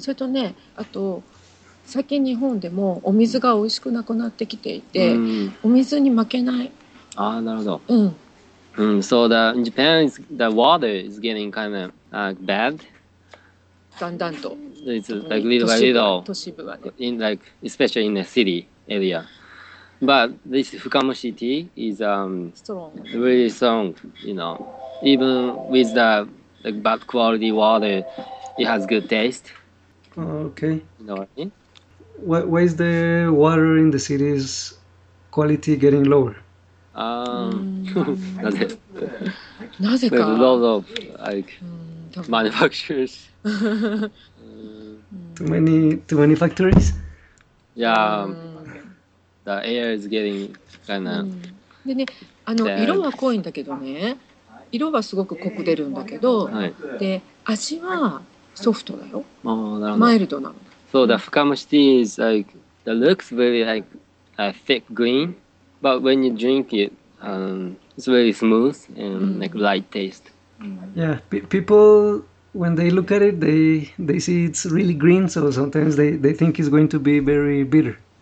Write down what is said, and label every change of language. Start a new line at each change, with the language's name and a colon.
Japanese: それとね、あと最近日本でもお水が美味しくなくなってきていて、お水に負けない。ああ、なるほど。うん。
English: So the in Japan, the water is getting kind of bad.
Japanese: だんだんと。
English: It's like little by little.
Japanese: 都市部はね。
English: In like especially in the city area. But this Fukamushi tea is strong. Really strong, you know. Even with the like, bad quality water, it has good taste. Okay. You know what I mean? Why is the water in the city's quality getting lower? Why? There's a lot of like, manufacturers. too many factories? Yeah. The air is getting kind of.
Japanese: でね、色は濃いんだけどね、色はすごく濃く出るんだけど、で味はソフトだよ。マイルドなの。
English: So the Fukamushi tea is like the looks very like a thick green, but when you drink it, it's very smooth and like light taste. Yeah, people when they look at it, they see it's really green, so sometimes they think it's going to be very bitter.